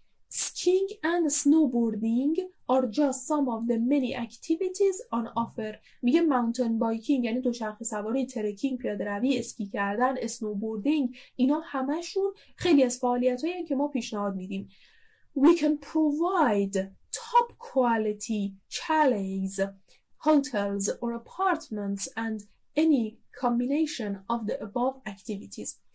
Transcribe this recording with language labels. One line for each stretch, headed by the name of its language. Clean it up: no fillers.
English: Skiing and snowboarding are just some of the many activities on offer.
Persian: میگه ماونتن بایکینگ یعنی دوچرخه سواری، ترکینگ پیاده روی، اسکی کردن، اسنوبوردینگ، اینا همشون خیلی از فعالیت هایی که ما پیشنهاد میدیم.
English: We can provide top quality chalets, hotels or apartments and any combination of the above activities.